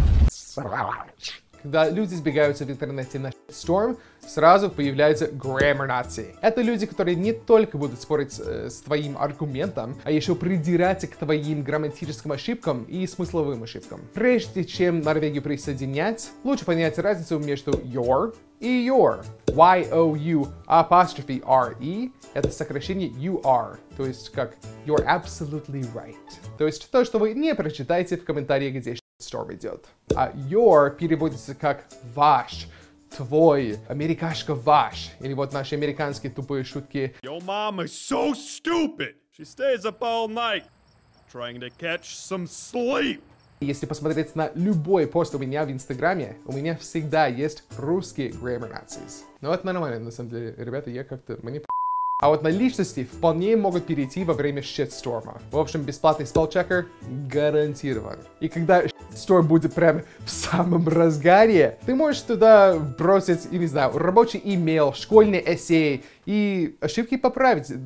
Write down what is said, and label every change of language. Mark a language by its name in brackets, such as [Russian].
[Russian] Срач. Когда люди сбегаются в интернете на шторм, сразу появляются grammar Nazi. Это люди, которые не только будут спорить с твоим аргументом, а еще придираться к твоим грамматическим ошибкам и смысловым ошибкам. Прежде чем Норвегию присоединять, лучше понять разницу между your и your. Y-O-U apostrophe R-E — это сокращение you are, то есть как [English] you're absolutely right. [Russian] То есть то, что вы не прочитаете в комментариях, где шторм идет. А your переводится как ваш, твой, америкашка ваш. Или вот наши американские тупые шутки. [English] Your mom is so stupid. She stays up all night trying to catch some sleep. [Russian] Если посмотреть на любой пост у меня в Инстаграме, у меня всегда есть русские grammar Nazis. Но это нормально, на самом деле, ребята, я как-то... Мне по... А вот на личности вполне могут перейти во время shitstorm'а. В общем, бесплатный спеллчекер гарантирован. И когда shitstorm будет прям в самом разгаре, ты можешь туда бросить, я не знаю, рабочий имейл, школьный эссе и ошибки поправить.